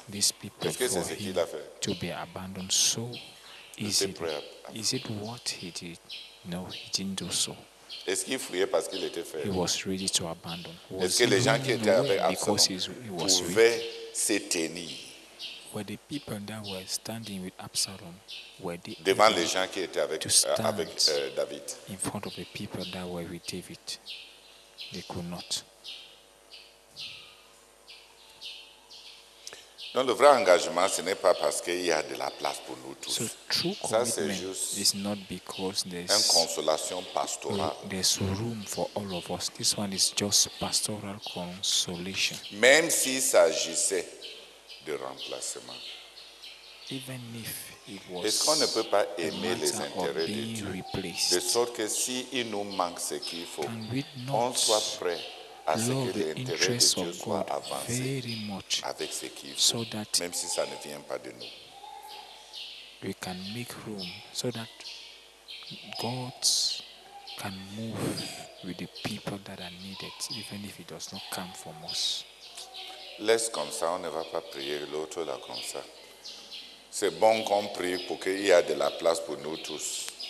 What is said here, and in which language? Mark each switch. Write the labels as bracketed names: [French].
[French] Est-ce que c'est ce qu'il a fait? [English] To be abandoned so easily. Is it what he did? No, he didn't do so. [French] Est-ce qu'il fuyait parce qu'il était faible? [English] He was ready to abandon. [French] Was Est-ce que les gens qui étaient avec Absalom pouvaient se tenir? [English] Were the people that were standing with Absalom, were they [French] devant les gens qui étaient avec, avec David? [English] In front of the people that were with David, they could not. [French] Donc le vrai engagement, ce n'est pas parce qu'il y a de la place pour nous tous. [English] So, true commitment, [French] ça c'est juste [English] is not because there's [French] une consolation pastorale. [English] There's room for all of us. This one is just pastoral consolation. [French] Même s'il s'agissait de remplacement. [English] Even if it was [French] est-ce qu'on ne peut pas aimer les intérêts de Dieu [English] replaced, [French] de sorte que si il nous manque ce qu'il faut, on soit prêt à ce que les intérêts de Dieu soient avancés avec ce qu'il faut, [English] so that [French] même si ça ne vient pas de nous. [English] We can make room so that God can move with the people that are needed, even if it does not come from us. [French] Laisse comme ça, on ne va pas prier l'autre là comme ça. C'est bon qu'on prie pour qu'il y ait de la place pour nous tous.